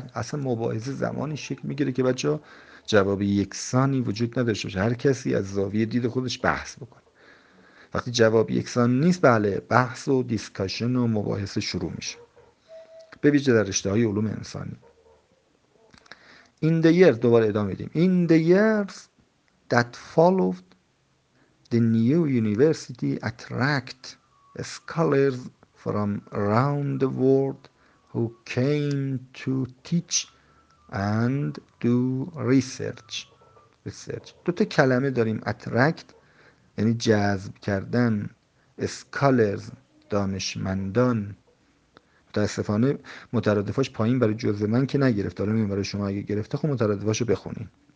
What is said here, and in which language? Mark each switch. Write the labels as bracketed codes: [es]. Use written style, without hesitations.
[fa] اصلا مباحثه زمانی شکل میگیره که بچه ها جواب یکسانی وجود نداشته باشه، هر کسی از زاویه دید خودش بحث بکنه. وقتی جواب یکسان نیست، بله، بحث و دیسکشن و مباحثه شروع میشه، به ویژه در رشته های علوم انسانی. [en] In the years that followed, the new university attracted scholars from around the world who came to teach and do research. [fa] دو تا کلمه داریم، attract یعنی جذب کردن، scholars دانشمندان. متاسفانه مترادفاش پایین برای جزء من که نگرفت، حالا برای شما اگه گرفته خب مترادفاشو بخونین.